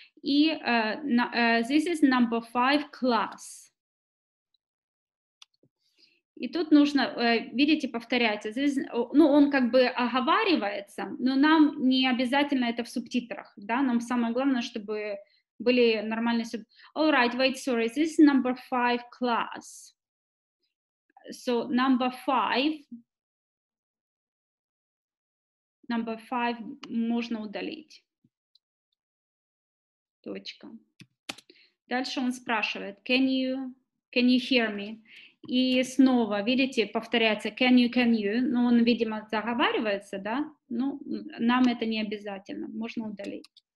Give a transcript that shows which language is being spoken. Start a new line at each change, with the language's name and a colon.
English: Okay. This is number 5 class.
Russian: И тут нужно, видите, повторяется, он как бы оговаривается, но нам не обязательно это в субтитрах, да, нам самое главное, чтобы были нормальные субтитры.
English: All right, wait, sorry, this is number 5 class. So, number five
Russian: можно удалить. Точка. Дальше он спрашивает,
English: can you hear me?
Russian: И снова, видите, повторяется
English: can you,
Russian: но он, видимо, заговаривается, да? Ну, нам это не обязательно, можно удалить.